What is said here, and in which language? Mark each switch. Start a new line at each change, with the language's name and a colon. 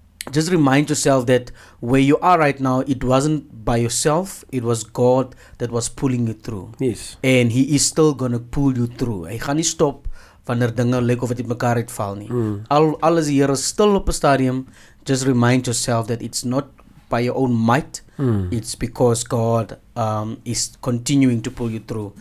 English: Just remind yourself that where you are right now, it wasn't by yourself, it was God that was pulling you through. Yes. And He is still gonna pull you through.
Afrikaans: Hy gaan nie stop wanneer dinge lyk of dit in mekaar uitval nie. Al is die Here still op 'n stadium.
English: Just remind yourself that it's not by your own might. It's because God is continuing to pull you through.